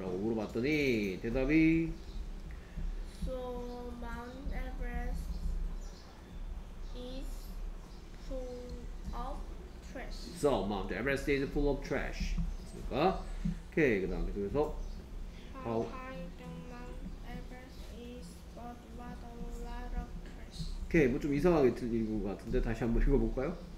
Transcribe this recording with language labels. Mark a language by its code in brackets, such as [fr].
[ko] 라고 물어봤더니 대답이 [en] So Mount Everest is full of trash. So Mount Everest is full of trash. [ko] 그러니까 오케이 그 다음에 그래서 [en] How high the Mount Everest is but a lot of trash. [ko] 오케이 뭐 좀 이상하게 들린 것 같은데 다시 한번 읽어볼까요?